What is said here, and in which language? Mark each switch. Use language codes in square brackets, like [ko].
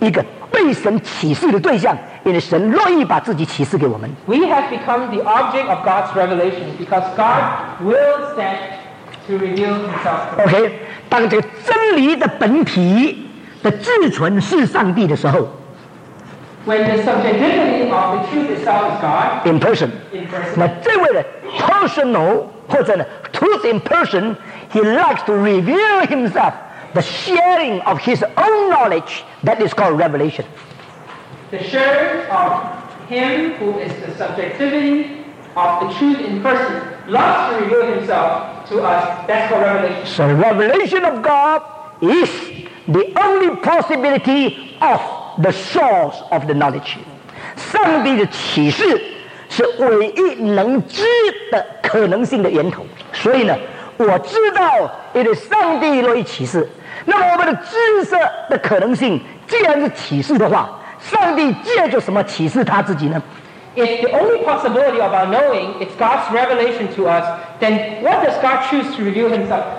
[zh] 这个我们现在已经成为一个被神启示的对象。因为神乐意把自己启示给我们。 [en] We have become the object of God's revelation because God wills that to reveal himself. [zh] Okay, 当这个真理的本体的至存是上帝的时候， [en] when the subjectivity of the truth itself is God, in person. In person. [zh] 那这位的 [en] personal [zh] 或者呢 [en] truth in person, he likes to reveal himself, the sharing of his own knowledge, that is called revelation. The sharing of him who is the subjectivity of the truth in person loves to reveal himself to us, that's called revelation. So revelation of God is the only possibility of the source of the knowledge. [zh] 上帝的启示 是唯一能知的可能性的源头，所以呢，我知道 [en] it is [zh] 上帝乐意启示。那么我们的知识的可能性，既然是启示的话，上帝借着什么启示他自己呢？ [en] If the only possibility of our knowing is God's revelation to us, then what does God choose to reveal himself?